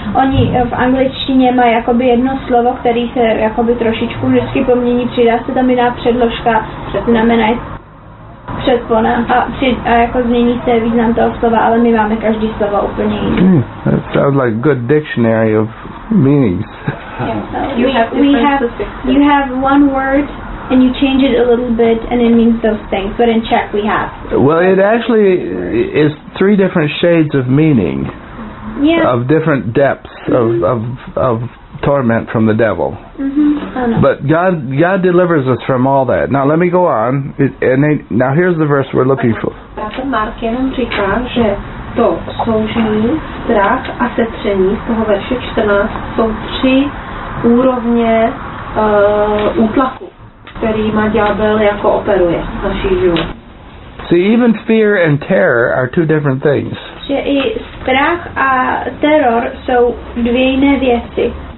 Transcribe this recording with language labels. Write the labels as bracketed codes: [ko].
[cs] Oni v angličtině mají jakoby jedno slovo, které se jakoby trošičku vždycky pomění, přidá se tam jiná předložka, znamená předpona a jako změní se význam toho slova, ale my máme každý slovo úplně jiný. [en] That sounds like good dictionary of meanings. You have one word and you change it a little bit and it means those things, but in Czech we have. Well, it actually is three different shades of meaning. Yeah. Of different depths of torment from the devil. Mm-hmm. Oh, no. But God delivers us from all that. Now let me go on. Now here's the verse we're looking for. [cs] Mark jenom říká, že to soužení, strach a setření z toho verše 14 jsou tři úrovně útlaku, kterýma ďábel jako operuje v naší životě. [en] See, even fear and terror are two different things. [cs] Že i strach a teror jsou dvě jiné věci.